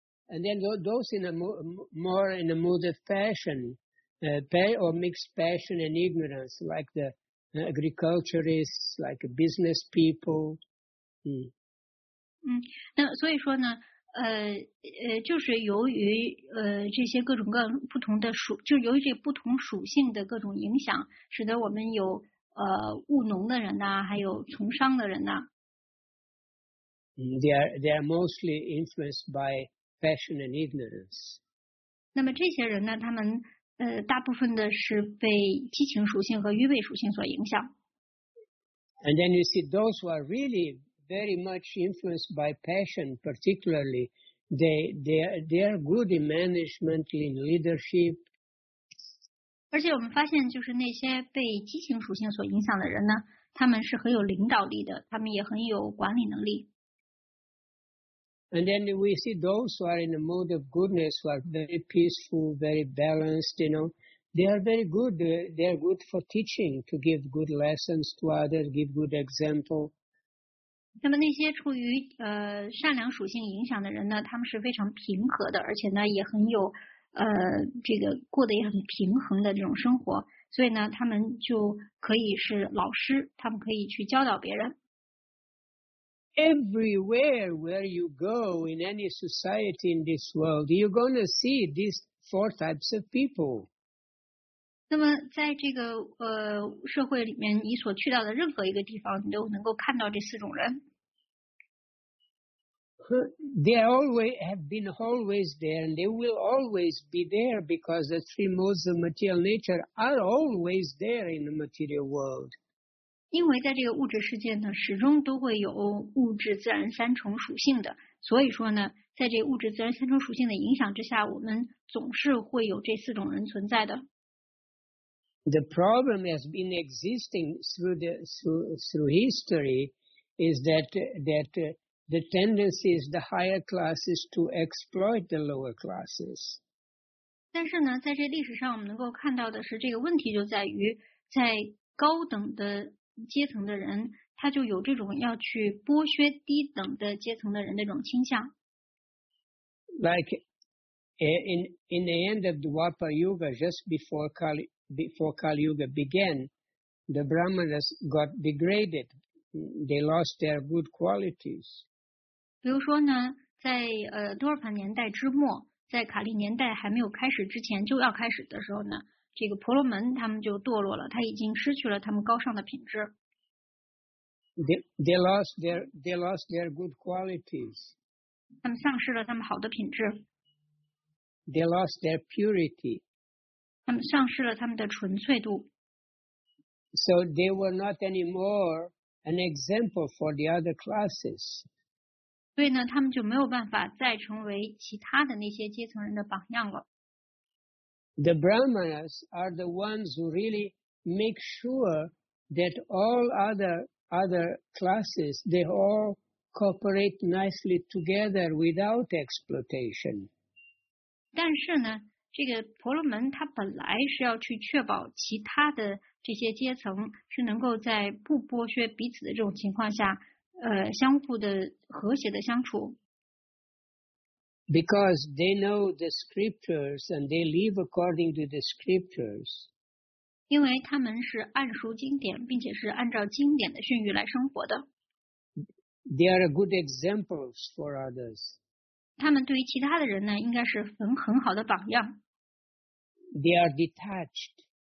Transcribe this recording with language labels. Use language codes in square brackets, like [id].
[en] And then those in a more in a moodlet fashion. Or mixed passion and ignorance, like the agriculturists, like business people. [zh] 那所以说呢，就是由于这些各种各样不同的属，就由于这不同属性的各种影响，使得我们有务农的人呐、啊，还有从商的人呐、啊。 [en] They are mostly influenced by passion and ignorance. [zh] 那么这些人呢，他们。大部分的是被激情属性和愚昧属性所影响。 [en] And then you see those who are really very much influenced by passion, particularly they are good in management, in leadership. [zh] 而且我们发现，就是那些被激情属性所影响的人呢，他们是很有领导力的，他们也很有管理能力。 [en] And then we see those who are in a mode of goodness, who are very peaceful, very balanced, you know, they are very good. They are good for teaching, to give good lessons to others, give good example. [zh] 那么那些处于善良属性影响的人呢，他们是非常平和的，而且呢也很有这个过得也很平衡的这种生活，所以呢他们就可以是老师，他们可以去教导别人。 [en] Everywhere where you go in any society in this world, you're going to see these four types of people. [zh] 那么在这个社会里面，你所去到的任何一个地方，你都能够看到这四种人。 [en] They always have been always there, and they will always be there because the three modes of material nature are always there in the material world. [zh] 因为在这个物质世界呢，始终都会有物质自然三重属性的，所以说呢，在这个物质自然三重属性的影响之下，我们总是会有这四种人存在的。 [en] The problem has been existing through history is that the tendency is the higher classes to exploit the lower classes. [zh] 但是呢，在这历史上我们能够看到的是，这个问题就在于在高等的阶层的人，他就有这种要去剥削低等的阶层的人的这种倾向。 [en] Like in the end of the Dwapar Yuga, just before Kali Yuga began, the Brahmanas got degraded. They lost their good qualities. [zh] 比如说呢，在多尔盘年代之末，在卡利年代还没有开始之前，就要开始的时候呢。这个婆罗门他们就堕落了，他已经失去了他们高尚的品质。 [en] They lost their good qualities. [zh] 他们丧失了他们好的品质。 [en] They lost their purity. [zh] 他们丧失了他们的纯粹度。 [en] So they were not anymore an example for the other classes. [zh] 所以呢，他们就没有办法再成为其他的那些阶层人的榜样了。 [en] The Brahmanas are the ones who really make sure that all other classes, they all cooperate nicely together without exploitation. [zh] 但是呢，这个婆罗门他本来是要去确保其他的这些阶层是能够在不剥削彼此的这种情况下，相互的和谐的相处。 [en] Because they know the scriptures and they live according to the scriptures. [zh] 因为他们是按熟经典，并且是按照经典的训谕来生活的。 [en] They are good examples for others. [zh] 他们对于其他的人呢，应该是很好的榜样。 [en] They are detached.